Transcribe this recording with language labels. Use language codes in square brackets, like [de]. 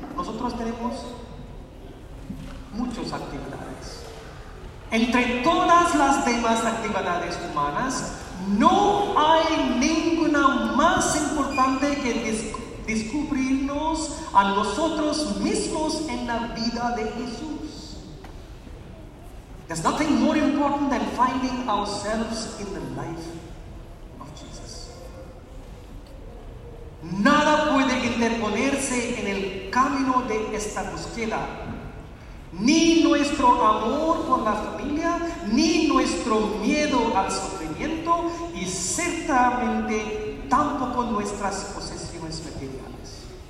[es] Nosotros tenemos muchas actividades. Entre todas las demás actividades humanas, no hay ninguna más importante que descubrirnos a nosotros mismos en la vida de Jesús. [en] There's nothing more important than finding ourselves in the life of Jesus. [es] Nada puede interponerse en el camino de esta búsqueda. Ni nuestro amor por la familia, ni nuestro miedo al sufrimiento, y ciertamente tampoco nuestras posesiones materiales.